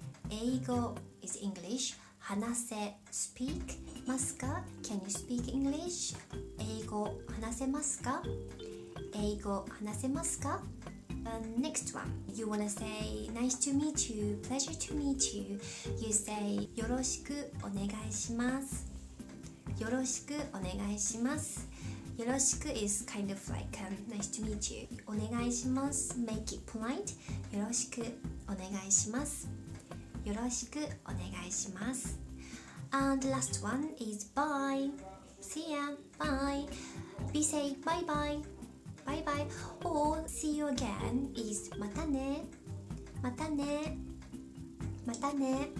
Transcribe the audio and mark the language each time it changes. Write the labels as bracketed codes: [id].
[en] 英語 is English. [ja] 話せ [en] speak [ja] ますか? [en] Can you speak English? [ja] 英語話せますか? 英語話せますか?Next one. [en] You want to say, nice to meet you, pleasure to meet you. You say, [ja] よろしくお願いします。よろしくお願いします。よろしく [en] is kind of like nice to meet you. [ja] お願いします。 [en] Make it polite. [ja] よろしくお願いします。よろしくお願いします。 [en] And last one is bye. See ya. Bye. We say bye bye. Bye bye. Or see you again is [ja] またね。またね。またね。